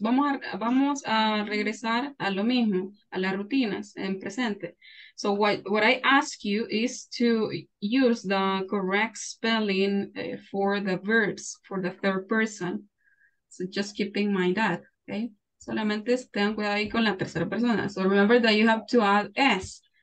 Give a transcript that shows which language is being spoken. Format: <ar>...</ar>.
<es>Vamos a regresar a lo mismo, a las rutinas en presente.</es> <en>So what I ask you is to use the correct spelling for the verbs, for the third person. So just keep in mind that, okay?</en> <es>Solamente tengan cuidado ahí con la tercera persona.</es> <en>So remember that you have to add S.</en>